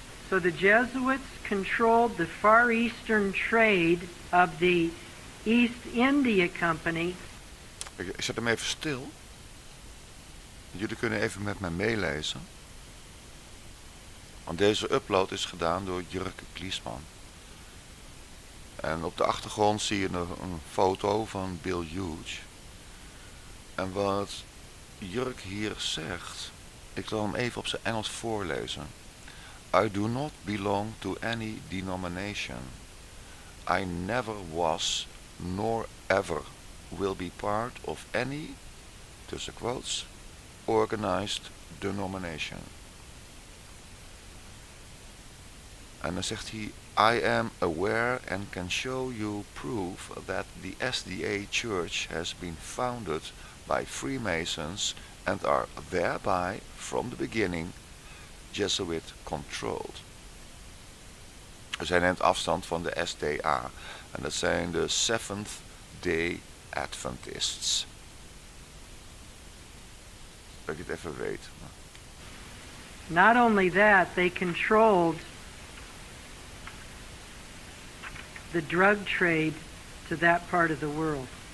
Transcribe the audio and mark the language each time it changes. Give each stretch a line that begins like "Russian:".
English: So the Jesuits controlled the Far Eastern trade of the East India Company.
Dutch: Ik zet hem even stil. Jullie kunnen even met mij meelezen. Want deze upload is gedaan door Jurke Kliesman. En op de achtergrond zie je een foto van Bill Hughes. En wat Jurk hier zegt, ik zal hem even op zijn Engels voorlezen.
English: I do not belong to any denomination. I never was, nor ever will be part of any,
Dutch: tussen quotes,
English: organized denomination.
Dutch: En dan zegt hij,
English: I am aware and can show you proof that the SDA Church has been founded by Freemasons and are thereby, from the beginning, Jesuit controlled.
Dutch: Dus hij neemt afstand van de SDA. En dat zijn de Seventh Day Adventists. Dat ik het even weet.
English: Not only that, they controlled the drug trade to that part of the world.